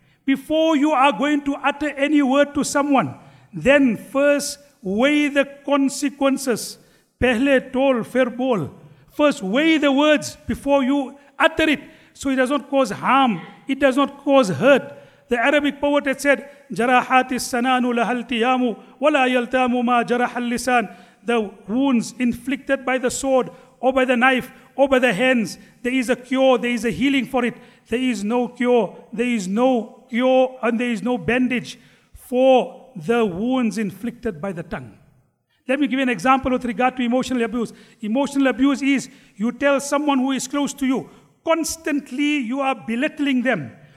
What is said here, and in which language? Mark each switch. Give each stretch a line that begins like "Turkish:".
English: Before you are going to utter any word to someone, then first weigh the consequences.
Urdu: Pehle tol, fir bol.
English: First weigh the words before you utter it, so it does not cause harm, it does not cause hurt. The Arabic poet had said,
Arabic: جَرَاحَاتِ السَّنَانُ لَهَا الْتِيَامُ وَلَا يَلْتَامُ مَا جَرَحَ اللِّسَانُ.
English: The wounds inflicted by the sword or by the knife or by the hands, there is a cure, there is a healing for it. There is no cure and there is no bandage for the wounds inflicted by the tongue. Let me give you an example with regard to emotional abuse. Emotional abuse is, you tell someone who is close to you, constantly you are belittling them.